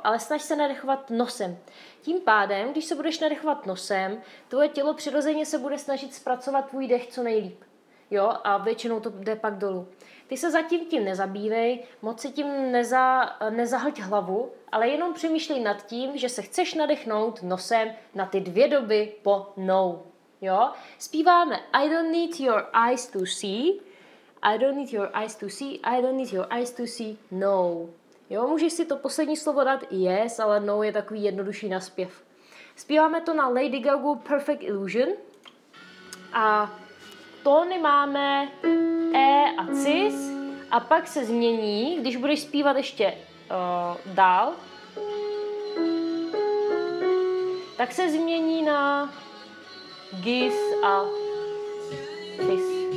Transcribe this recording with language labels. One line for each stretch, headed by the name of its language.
Czech: Ale snaž se nadechovat nosem. Tím pádem, když se budeš nadechovat nosem, tvoje tělo přirozeně se bude snažit zpracovat tvůj dech co nejlíp. Jo, a většinou to jde pak dolů. Ty se zatím tím nezabývej, moc si tím nezahlť hlavu, ale jenom přemýšlej nad tím, že se chceš nadechnout nosem na ty dvě doby po no. Jo? Zpíváme
English: I don't need your eyes to see, I don't need your eyes to see, I don't need your eyes to see, no.
Czech: Jo, můžeš si to poslední slovo dát yes, ale no je takový jednodušší naspěv. Zpíváme to na Lady Gaga Perfect Illusion a tóny máme E a cis a pak se změní, když budeš zpívat ještě dál, tak se změní na gis a fis.